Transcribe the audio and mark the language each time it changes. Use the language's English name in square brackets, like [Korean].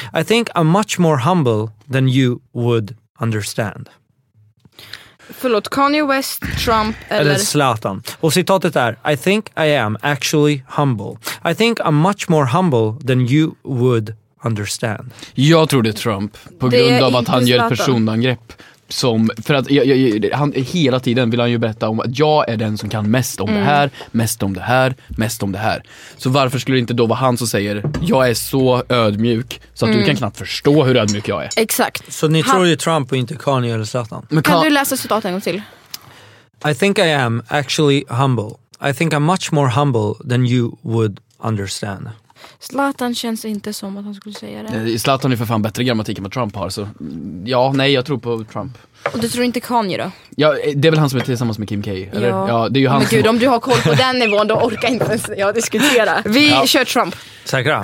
[English] I think I'm much more humble than you would understand. [Swedish] Förlåt, Kanye West, Trump eller Zlatan. Och citatet är: [English] I think I am actually humble. I think I'm much more humble than you would understand. [Swedish] Jag tror det är Trump på grund av att han gör ett personangrepp som, för att han hela tiden vill han ju berätta om att jag är den som kan mest om det här, mest om det här, mest om det här. Så varför skulle det inte då vara han som säger jag är så ödmjuk så att du kan knappt förstå hur ödmjuk jag är. Exakt. Så ni tror ju Trump och inte Kanye eller Zlatan. Men kan du läsa citatet en gång till? [English] I think I am actually humble. I think I'm much more humble than you would understand. [Swedish] Zlatan känns inte som att han skulle säga det. Zlatan är för fan bättre grammatik än vad Trump har. Så ja, nej, jag tror på Trump. Och du tror inte Kanye då? Ja, det är väl han som är tillsammans med Kim K, eller? Ja. Ja, det är ju han. Men gud, om du har koll på den nivån, då orkar inte ens jag diskutera. Vi kör Trump. Säkra?